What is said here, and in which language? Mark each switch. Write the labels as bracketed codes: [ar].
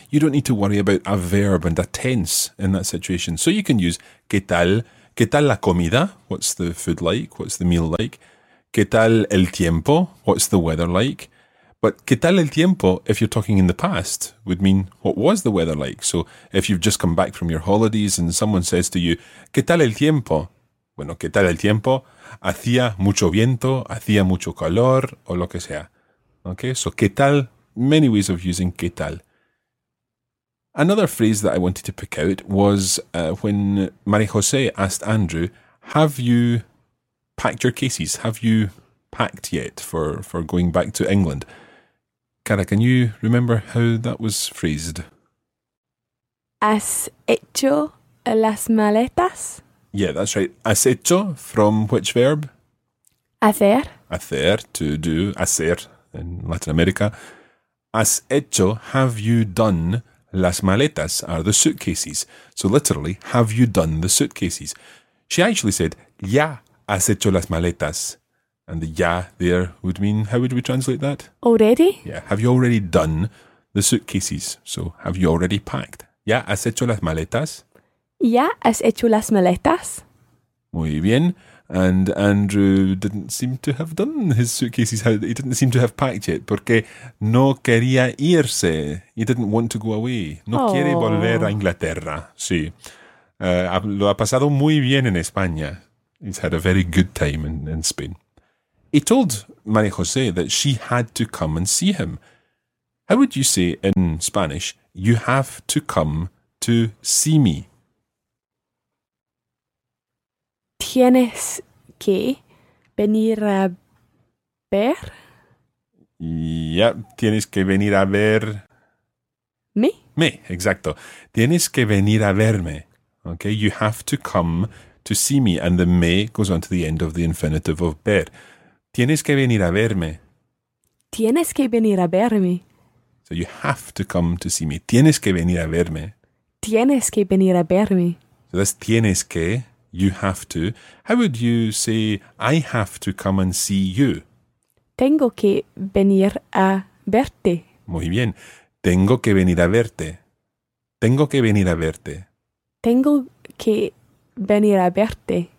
[en] You don't need to worry about a verb and a tense in that situation. So you can use [es] qué tal la comida, [en] what's the food like, what's the meal like, [es] qué tal el tiempo, [en] what's the weather like. But [es] qué tal el tiempo, [en] if you're talking in the past, would mean what was the weather like. So if you've just come back from your holidays and someone says to you, [es] qué tal el tiempo, bueno, qué tal el tiempo, hacía mucho viento, hacía mucho calor, o lo que sea. [en] Okay, so qué tal, many ways of using qué tal. Another phrase that I wanted to pick out was when María José asked Andrew, have you packed your cases? Have you packed yet for going back to England? Cara, can you remember how that was phrased? [es] ¿Has hecho las maletas? [en] Yeah, that's right. [es] ¿Has hecho? [en] From which verb? [es] Hacer. [en] Hacer, to do, hacer in Latin America. [es] ¿Has hecho? [en] Have you done [es] las maletas? [en] Are the suitcases. So literally, have you done the suitcases? She actually said, [es] ya has hecho las maletas. [en] And the ya there would mean, how would we translate that? Already? Yeah, have you already done the suitcases? So have you already packed? [es] Ya has hecho las maletas. ¿Ya has hecho las maletas? Muy bien. [en] And Andrew didn't seem to have done his suitcases. He didn't seem to have packed yet. [es] Porque no quería irse. [en] He didn't want to go away. No oh. [es] quiere volver a Inglaterra. Sí. Lo ha pasado muy bien en España. [en] He's had a very good time in Spain. He told María José that she had to come and see him. How would you say in Spanish, you have to come to see me? [es] ¿Tienes que venir a ver? Yep, tienes que venir a ver... ¿Me? Me, exacto. Tienes que venir a verme. [en] Okay, you have to come to see me. And the me goes on to the end of the infinitive of ver. [es] Tienes que venir a verme. Tienes que venir a verme. [en] So you have to come to see me. [es] Tienes que venir a verme. Tienes que venir a verme. [en] So that's [es] tienes que... [en] You have to. How would you say, I have to come and see you? [es] Tengo que venir a verte. Muy bien. Tengo que venir a verte. Tengo que venir a verte. Tengo que venir a verte.